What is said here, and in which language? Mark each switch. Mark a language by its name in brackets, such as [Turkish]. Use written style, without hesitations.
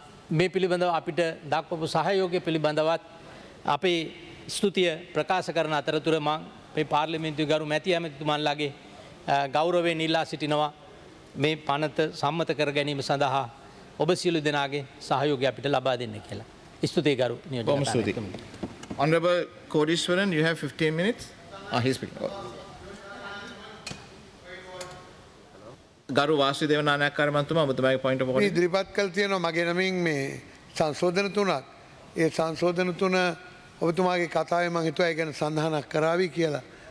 [Sinhala] මේ පිළිබඳව අපිට දක්වපු සහයෝගය පිළිබඳවත් අපේ ස්තුතිය ප්‍රකාශ කරන අතරතුර මම මේ පාර්ලිමේන්තුවේ ගරු මැති ඇමතිතුමන්ලාගේ ගෞරවයෙන් ඉල්ලා සිටිනවා මේ පනත සම්මත කර ගැනීම සඳහා ඔබ සියලු දෙනාගේ සහයෝගය අපිට ලබා දෙන්න කියලා. ස්තුතියි ගරු නියෝජ්‍ය කතානායකතුමනි. [English] Honorable Kodeeswaran, you have 15 minutes. He's speaking. Oh. [Sinhala] ගරු වාසුදේව නානායක්කාර මන්තුමා, ඔබතුමාගේ පොයින්ට් මොකද? ඉදිරිපත් කළ තියෙනවා මගේ නමින් මේ සංශෝධන තුනක්. ඒ සංශෝධන තුන ඔබතුමාගේ කතාවේ මම හිතුවා ඒ ගැන සඳහනක් කරાવી කියලා.